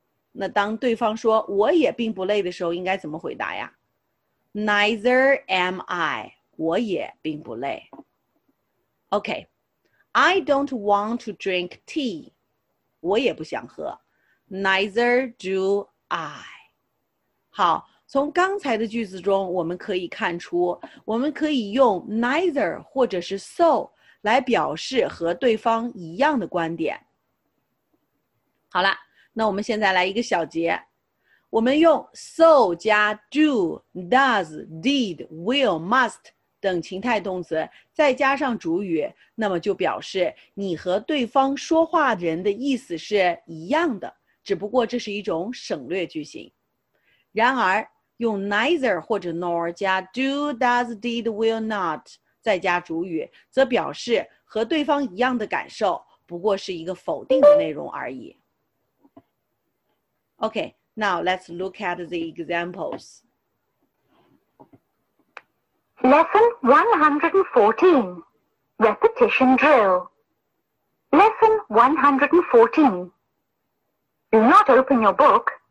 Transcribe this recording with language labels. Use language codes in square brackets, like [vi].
[zh] 那当对方说我也并不累的时候，应该怎么回答呀？ [en] Neither am I. [zh] 我也并不累。 [en] Okay, I don't want to drink tea. [zh] 我也不想喝。 [en] Neither do I. [zh] 好，从刚才的句子中我们可以看出，我们可以用 neither 或者是 so 来表示和对方一样的观点。好了，那我们现在来一个小结。我们用 so 加 do, does, did, will, must 等情态动词，再加上主语，那么就表示你和对方说话人的意思是一样的，只不过这是一种省略句型。然而用 neither 或者 nor 加 do, does, did, will, not 再加主语，则表示和对方一样的感受，不过是一个否定的内容而已。 [en] OK, now let's look at the examples. Lesson 114, Repetition Drill. Lesson 114, Do not open your book.